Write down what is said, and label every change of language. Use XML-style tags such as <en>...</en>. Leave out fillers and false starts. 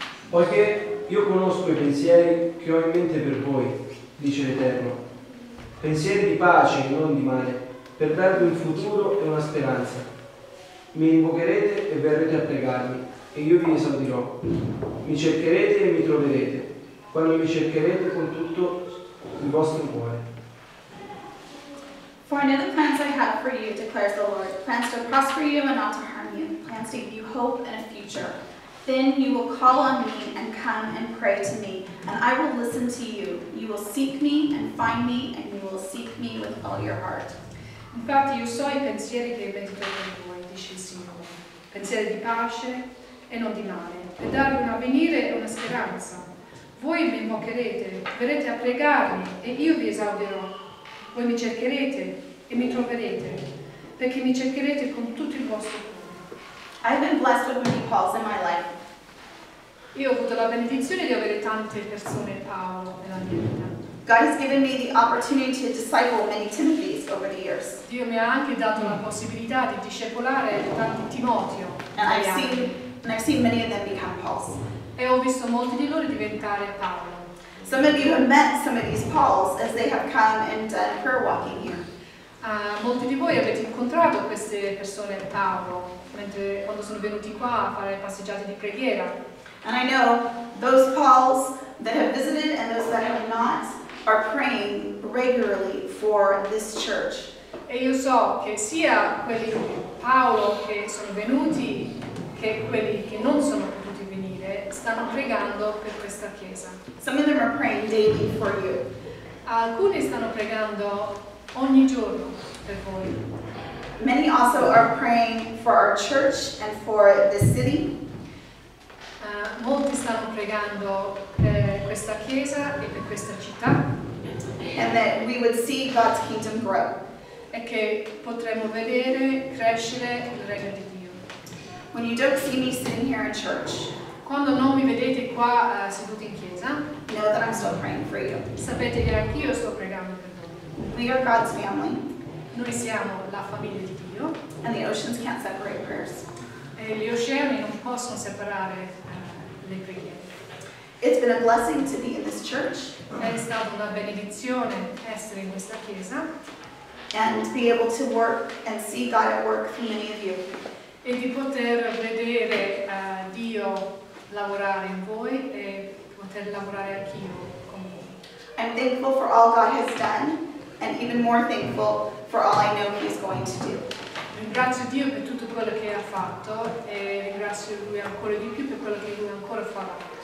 <it>Poiché io conosco i pensieri che ho in mente per voi, dice l'Eterno, pensieri di pace e non di male, per darvi un futuro e una speranza. Mi invocherete e verrete a pregarmi, e io vi esaudirò. Mi cercherete e mi troverete, quando mi cercherete con tutto il vostro cuore.</it> <en>For I know the plans I have for you, declares the Lord, plans to prosper you and not to harm you, plans to give you hope and a future. Then you will call on me and come and pray to me, and I will listen to you. You will seek me and find me, and you will seek me with all your heart.</en> <it>Infatti io so i pensieri che avete per voi, dice il Signore, pensieri di pace e non di male, per darvi un avvenire e una speranza. Voi mi invocherete, verrete a pregarmi, e io vi esaudirò. Voi mi cercherete e mi troverete, perché mi cercherete con tutto il vostro cuore.</it> <en>I have been blessed with many Pauls in my life.</en> <it>Io ho avuto la benedizione di avere tante persone Paolo nella mia vita.</it> <en>God has given me the opportunity to disciple many Timothys over the years.</en> <it>Dio mi ha anche dato la possibilità di discepolare tanti Timoteo.</it> <en>And I've seen many of them become Pauls.</en> <it>E ho visto molti di loro diventare Paolo.</it> <en>Some of you have met some of these Pauls as they have come and done prayer walking here.</en> <it>Molti di voi avete incontrato queste persone Paolo mentre quando sono venuti qua a fare passeggiate di preghiera.</it> <en>And I know those Pauls that have visited and those that have not are praying regularly for this church.</en> <it>E io so che sia quelli Paolo che sono venuti che quelli che non sono potuti venire stanno pregando per questa chiesa.</it> <en>Some of them are praying daily for you.</en> <it>Alcuni stanno pregando ogni giorno per voi.</it> <en>Many also are praying for our church and for this city.</en> <it>Molti stanno pregando per questa chiesa e per questa città.</it> <en>And that we would see God's kingdom grow.</en> <it>E che potremmo vedere crescere il regno di Dio.</it> <en>When you don't see me sitting here in church,</en> <it>quando non mi vedete qua seduti in chiesa,</it> <en>know that I'm still praying for you.</en> <it>Sapete che anch'io sto pregando per</it> <en>we are God's family.</en> <it>Noi siamo la famiglia di Dio.</it> <en>And the oceans can't separate prayers.</en> <it>E gli oceani non possono separare le preghiere.</it> <en>It's been a blessing to be in this church.</en> <it>È stata una benedizione essere in questa chiesa.</it> <en>And to be able to work and see God at work through many of you.</en> <it>E di poter vedere Dio lavorare in voi e poter lavorare anch'io con voi.</it> <en>I'm thankful for all God has done. And even more thankful for all I know He's going to do.</en> <it>Ringrazio Dio per tutto quello che ha fatto e ringrazio Lui ancora di più per quello che Lui ancora farà.</it>